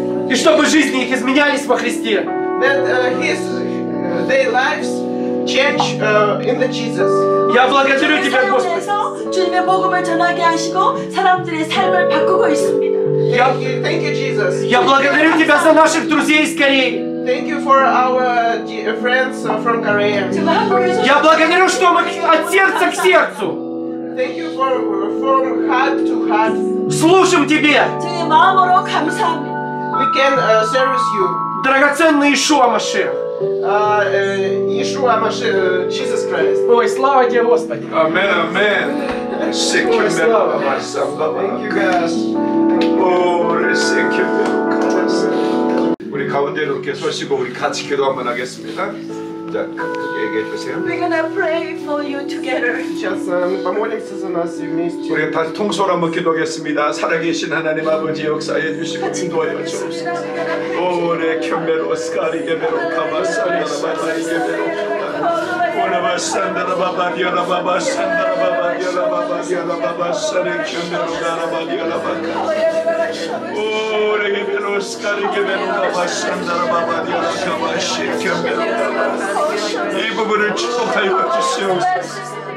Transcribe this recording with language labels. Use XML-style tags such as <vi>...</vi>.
<ru>И чтобы жизни их изменялись во Христе.</ru> <en>That their lives change in Jesus.</en> <ru>Я благодарю тебя, Господи.</ru> <ko>주님의 복음을 전하게 하시고 사람들의 삶을 바꾸고 있습니다.</ko> <en>Thank you, Jesus.</en> <ru>야, благодарю тебя за наших друзей из Кореи.</ru> <en>Thank you for our friends from Korea.</en> <ru>야, благодарю, что мы от сердца к сердцу.</ru> <en>Thank you for from heart to heart.</en> <ru>служим тебе.</ru> <ko>주님의 마음으로 감사합니다.</ko> <en>We can service you.</en> <ru>драгоценный Иешуа Машех. Иешуа Машех, Jesus Christ. Ой, слава тебе, Господи.</ru> <en>Amen, amen. Thank you, God. Thank you, God. Oh, thank you, God.</en> <ko>우리 가운데 이렇게 서시고 우리 같이 기도 한번 하겠습니다. 자, 얘기해 주세요.</ko> <en>We're gonna pray for you together.</en> <ru>сейчас мы помолимся за нас вместе.</ru> <ko>우리 다시 통솔 한번 기도하겠습니다. 살아계신 하나님 아버지 역사해 주시고 인도해 주옵소서. 오래 켜메로 스카리게 메로 카마사리 나바바리게 메로 오나바산다라 바바디아라 바바산다라 바바디아라 바바디아라 바바산에 켜메로 나라바디아라 바카 오래 메로 스카리게 메로 나바산다라 바바디아라 카마시 켜메로 이 부분을 축복하여 주시옵소서.</ko>